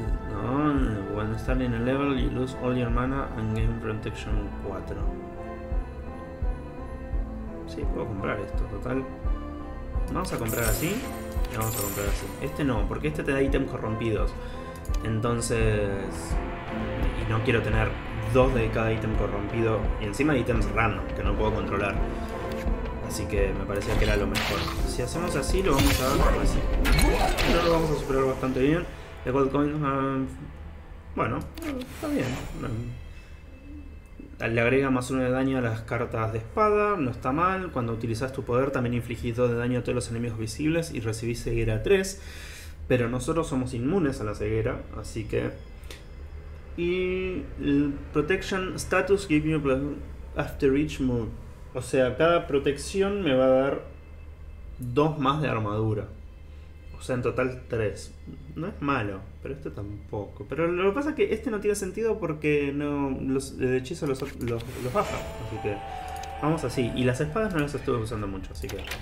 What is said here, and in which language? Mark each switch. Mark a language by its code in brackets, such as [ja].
[en] No, when starting in a level, you lose all your mana and gain protection 4. [es] Sí, puedo comprar esto, total. Vamos a comprar así. Vamos a comprar así. Este no, porque este te da ítems corrompidos. Entonces... Y no quiero tener 2 de cada ítem corrompido. Y encima hay ítems random, que no puedo controlar. Así que me parecía que era lo mejor. Si hacemos así, lo vamos a... Pero lo vamos a superar bastante bien. De Gold Coin... Bueno, está bien. Le agrega más 1 de daño a las cartas de espada, no está mal. Cuando utilizas tu poder también infligís 2 de daño a todos los enemigos visibles y recibís ceguera 3. Pero nosotros somos inmunes a la ceguera, así que... Y... [en] Protection status give you after each move. [es] O sea, cada protección me va a dar 2 más de armadura. O sea, en total 3. No es malo, pero este tampoco. Pero lo que pasa es que este no tiene sentido porque no el hechizo los baja. Así que vamos así. Y las espadas no las estuve usando mucho, así que...